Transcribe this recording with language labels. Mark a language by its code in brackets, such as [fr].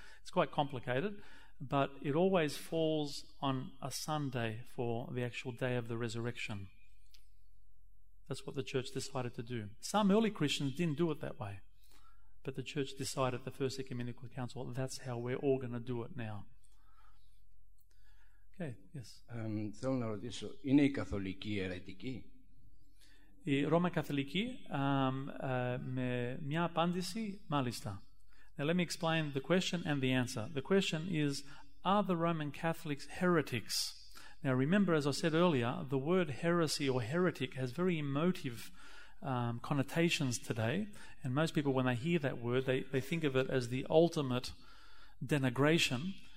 [en] It's quite complicated, but it always falls on a Sunday for the actual day of the resurrection. That's what the church decided to do. Some early Christians didn't do it that way, but the church decided at the First Ecumenical Council, that's how we're all going to do it now. Okay, yes. [el] Θέλω να ρωτήσω, είναι η Καθολική αιρετική? Η Ρώμα Καθολική, με μια απάντηση, μάλιστα. [en] Now let me explain the question and the answer. The question is, are the Roman Catholics heretics? Now remember, as I said earlier, the word heresy or heretic has very emotive connotations today. And most people, when they hear that word, they think of it as the ultimate denigration.